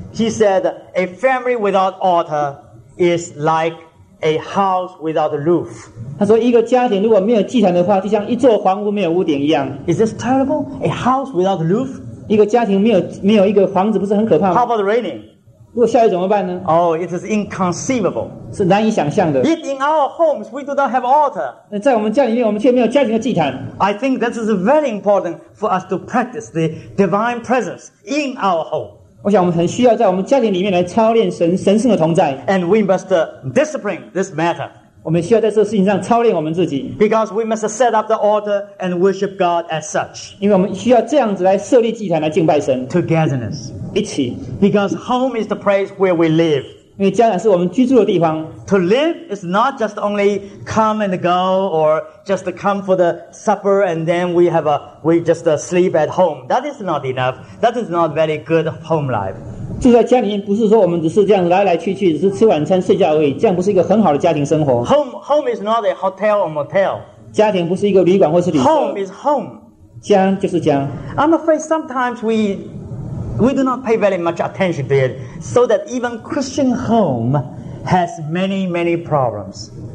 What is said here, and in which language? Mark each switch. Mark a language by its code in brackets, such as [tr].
[en] He said, "A family without altar is like a house without a roof." [zh] 他说，一个家庭如果没有祭坛的话，就像一座房屋没有屋顶一样。 [en] Is this terrible? A house without a roof? [zh] 一个家庭没有一个房子，不是很可怕吗？ [en] How about the raining? [zh] 如果下雨怎么办呢？ [en] Oh, it is inconceivable. [zh] 是难以想象的。 [en] Yet in our homes, we do not have altar. [zh] 在我们家里面，我们却没有家庭的祭坛。 [en] I think this is very important for us to practice the divine presence in our home. [zh] 我想我们很需要在我们家庭里面来操练神圣的同在。 [en] And we must discipline this matter. [zh] 我们需要在这事情上操练我们自己。 [en] Because we must set up the altar and worship God as such. [zh] 因为我们需要这样子来设立祭坛来敬拜神。 [en] Togetherness. [zh] 一起。 [en] Because home is the place where we live. [zh] 因为家乃是我们居住的地方。 [en] To live is not just only come and go or just come for the supper and then we just sleep at home. That is not enough. That is not very good home life. [zh] 住在家里面不是说我们只是这样来来去去，只是吃晚餐睡觉而已，这样不是一个很好的家庭生活。 [en] Home is not a hotel or motel. [zh] 家庭不是一个旅馆或是旅社。 [en] Home is home. [zh] 家就是家。 [en] I'm afraid sometimes we do not pay very much attention to it, so that even Christian home has many, many problems.